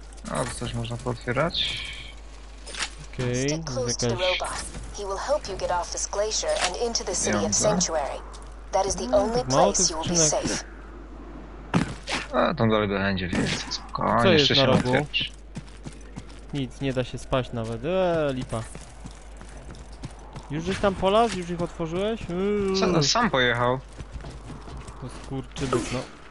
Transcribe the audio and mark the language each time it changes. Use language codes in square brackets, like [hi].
[pl] A, to coś można pootwierać. [en] Okej, okay, he will help you get off this glacier and into the city of Sanctuary. That is the only place you will be safe. [pl] A, tam dalej będzie, więc spokojnie, co jest jeszcze na rogu? Nic, nie da się spać nawet. Lipa. Już jest tam polaz? Już ich otworzyłeś? Co, no, sam pojechał. To skurczybyk, no.